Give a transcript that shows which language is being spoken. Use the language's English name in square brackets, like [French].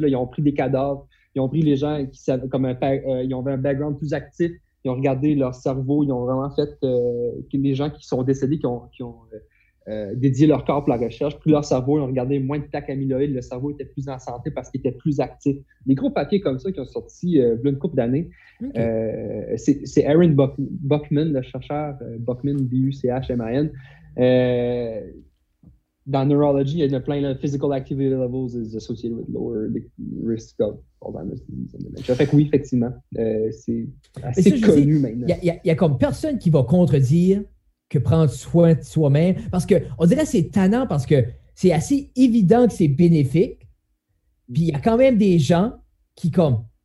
[French] Là, ils ont pris des cadavres, ils ont pris les gens qui savaient, comme ils avaient un background plus actif, ils ont regardé leur cerveau, ils ont vraiment fait les gens qui sont décédés, qui ont dédié leur corps pour la recherche, pris leur cerveau, ils ont regardé moins de plaques amyloïdes, le cerveau était plus en santé parce qu'il était plus actif. Des gros papiers comme ça qui ont sorti une couple d'années. Okay. C'est Aaron Buckman, le chercheur Buckman, B-U-C-H-M-I-N. Dans Neurology, il y a plein de [English] physical activity levels is associated with lower risk of Alzheimer's disease and dementia. [French] Fait que oui, effectivement, c'est assez ça, connu dis, maintenant. Il y a comme personne qui va contredire que prendre soin de soi-même, parce que on dirait que c'est tannant, parce que c'est assez évident que c'est bénéfique, puis il y a quand même des gens qui comme,